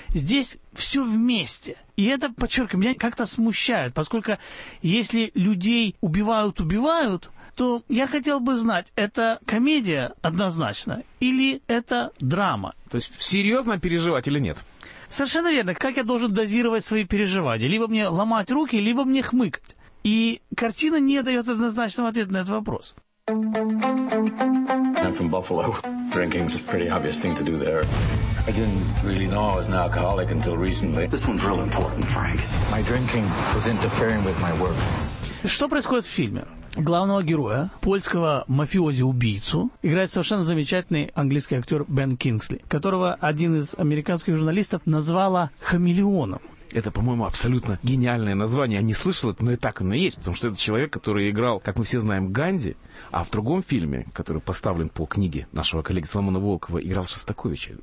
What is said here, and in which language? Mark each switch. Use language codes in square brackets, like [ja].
[ru] Здесь все вместе. И это, подчеркиваю, меня как-то смущает, поскольку если людей убивают, то я хотел бы знать, это комедия однозначно или это драма? То есть серьезно переживать или нет? Совершенно верно. Как я должен дозировать свои переживания? Либо мне ломать руки, либо мне хмыкать. И картина не дает однозначного ответа на этот вопрос. [en] I'm from Buffalo. Drinking's a pretty obvious thing to do there. I didn't really know I was an alcoholic until recently. This one's real important, Frank. My drinking was interfering with my work. [ru] Что происходит в фильме? главного героя, польского мафиози-убийцу, играет совершенно замечательный английский актер Бен Кингсли, которого один из американских журналистов назвала «хамелеоном». Это, по-моему, абсолютно гениальное название. Я не слышал это, но и так оно и есть, потому что это человек, который играл, как мы все знаем, Ганди, а в другом фильме, который поставлен по книге нашего коллеги Соломона Волкова, играл Шостаковича.